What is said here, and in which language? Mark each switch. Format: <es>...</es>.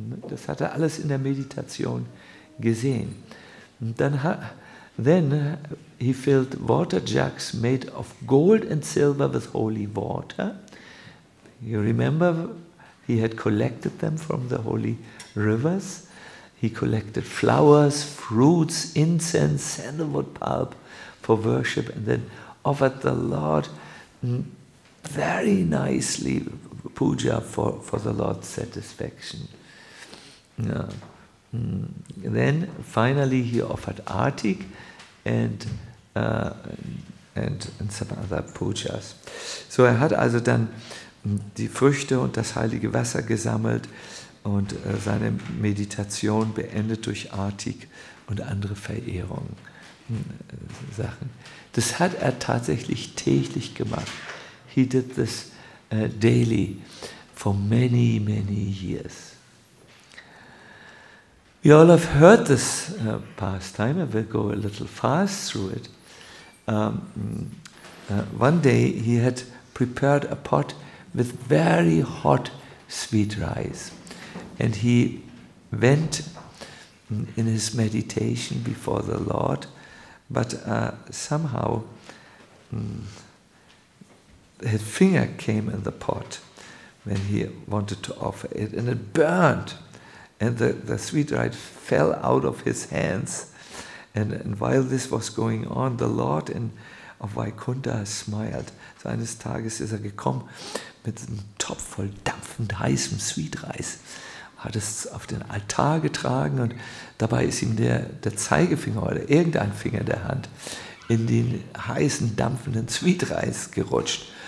<de>Das hat er alles in der Meditation gesehen. Und dann</de> <en>then he filled water jugs made of gold and silver with holy water. You remember, he had collected them from the holy rivers. He collected flowers, fruits, incense, sandalwood pulp for worship, and then offered the Lord very nicely puja for the Lord's satisfaction. Then finally he offered artik and some other pujas.</en> <de>So er hat also dann die Früchte und das heilige Wasser gesammelt und seine Meditation beendet durch artik und andere Verehrungen. Sachen. Das hat er tatsächlich täglich gemacht.</de> <en>He did this daily for many, many years. We all have heard this pastime. I will go a little fast through it. One day he had prepared a pot with very hot sweet rice. And he went in his meditation before the Lord. But somehow his finger came in the pot when he wanted to offer it, and it burned, and the sweet rice fell out of his hands. And while this was going on, the Lord of Vaikuntha smiled.</en> <de>So eines Tages ist er gekommen mit einem Topf voll dampfend heißem sweet rice, hat es auf den Altar getragen und dabei ist ihm der Zeigefinger oder irgendein Finger der Hand in den heißen, dampfenden Zwietreis gerutscht.</de>